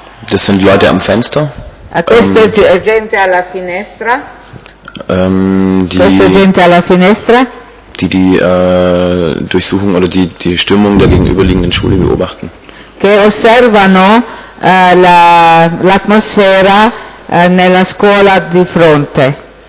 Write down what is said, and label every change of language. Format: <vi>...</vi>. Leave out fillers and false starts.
<de>Das sind Leute am Fenster.</de> <it>Questa gente alla finestra. Questa gente alla finestra.</it> <de>Die die Durchsuchung oder die Stimmung der gegenüberliegenden Schule beobachten.</de> <it>Che osservano l'atmosfera nella scuola di fronte.</it>